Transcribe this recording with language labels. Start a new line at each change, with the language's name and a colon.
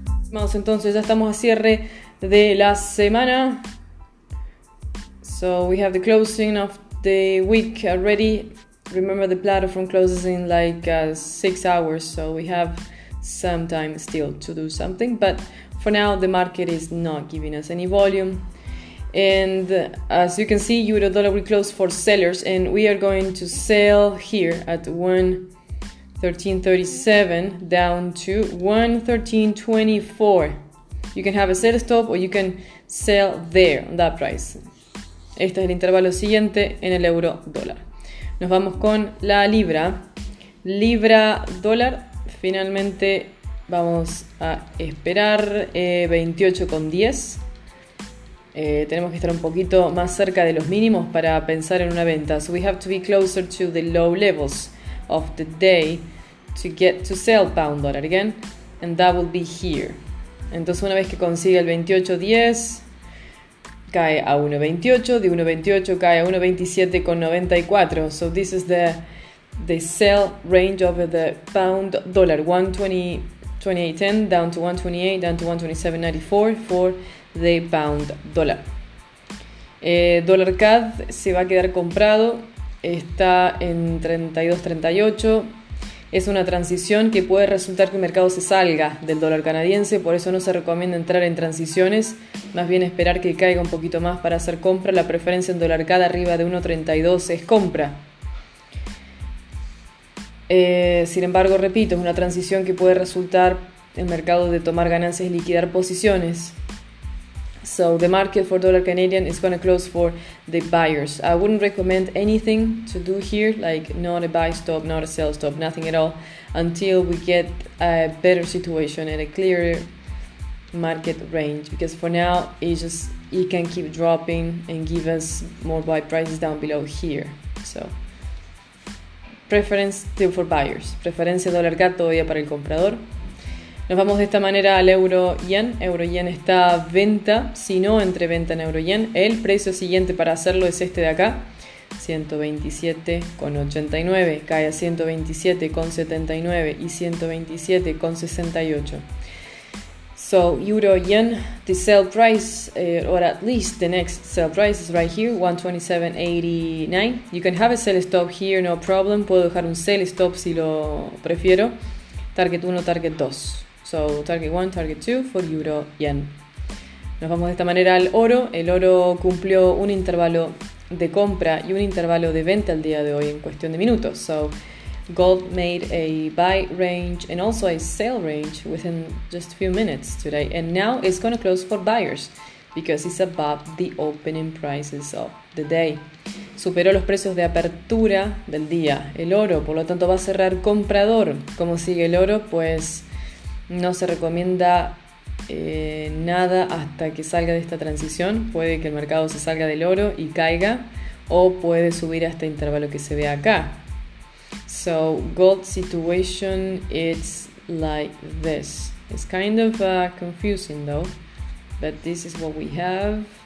Spanish: Vamos entonces, ya estamos a cierre de la semana.
English: So we have the closing of the week already. Remember the platform closes in like 6 hours, so we have some time still to do something. But for now, the market is not giving us any volume. And as you can see, euro dollar will close for sellers, and we are going to sell here at 1.1337 down to 1.1324. You can have a sell stop or you can sell there on that price.
Spanish: Este es el intervalo siguiente en el euro dólar. Nos vamos con la libra. Libra dólar, finalmente vamos a esperar 28.10. Tenemos que estar un poquito más cerca de los mínimos para pensar en una venta.
English: So we have to be closer to the low levels of the day to get to sell pound dollar again, and that will be here.
Spanish: Entonces una vez que consiga el 28.10, cae a 1.28, de 1.28 cae a 1.2794.
English: So this is the sell range of the pound dollar, 1.2810 down to 1.28, down to 1.2794 for the pound dollar.
Spanish: Dollar CAD se va a quedar comprado, está en 32.38. Es una transición que puede resultar que el mercado se salga del dólar canadiense, por eso no se recomienda entrar en transiciones, más bien esperar que caiga un poquito más para hacer compra. La preferencia en dólar CAD arriba de 1.32 es compra. Sin embargo, repito, es una transición que puede resultar el mercado de tomar ganancias y liquidar posiciones.
English: So the market for dollar Canadian is going to close for the buyers. I wouldn't recommend anything to do here, like not a buy stop, not a sell stop, nothing at all, until we get a better situation and a clearer market range. Because for now, it can keep dropping and give us more buy prices down below here. So preference still for buyers.
Spanish: Preferencia dólar CAD todavía para el comprador. Nos vamos de esta manera al euro-yen. Euro-yen está a venta, si no entre venta en euro-yen. El precio siguiente para hacerlo es este de acá, 127.89. Cae a 127.79 y 127.68.
English: So, euro-yen, the sell price, or at least the next sell price is right here, 127.89. You can have a sell stop here, no problem.
Spanish: Puedo dejar un sell stop si lo prefiero. Target 1, target 2.
English: So, target 1, target 2 for euro, yen.
Spanish: Nos vamos de esta manera al oro. El oro cumplió un intervalo de compra y un intervalo de venta el día de hoy en cuestión de minutos.
English: So, gold made a buy range and also a sell range within just a few minutes today. And now it's going to close for buyers because it's above the opening prices of the day.
Spanish: Superó los precios de apertura del día, el oro. Por lo tanto, va a cerrar comprador. ¿Cómo sigue el oro? Pues no se recomienda nada hasta que salga de esta transición. Puede que el mercado se salga del oro y caiga, o puede subir a este intervalo que se ve acá.
English: So, gold situation, it's like this. It's kind of confusing though, but this is what we have.